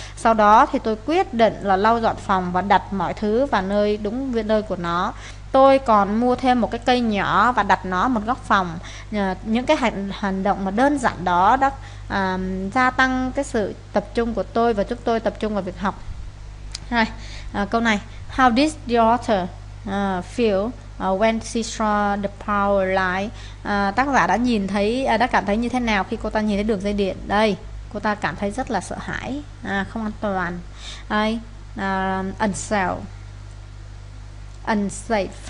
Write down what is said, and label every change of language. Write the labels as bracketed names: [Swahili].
[Vietnamese] Sau đó thì tôi quyết định là lau dọn phòng và đặt mọi thứ vào nơi đúng vị nơi của nó. Tôi còn mua thêm một cái cây nhỏ và đặt nó ở một góc phòng. Những cái hành động mà đơn giản đó đã gia tăng cái sự tập trung của tôi và giúp tôi tập trung vào việc học. Rồi, câu này. [English] How did your daughter feel when she saw the power line? [Vietnamese] Tác giả đã nhìn thấy đã cảm thấy như thế nào khi cô ta nhìn thấy đường dây điện? Đây, cô ta cảm thấy rất là sợ hãi, không an toàn. [English] Đây, unsafe. Unsafe.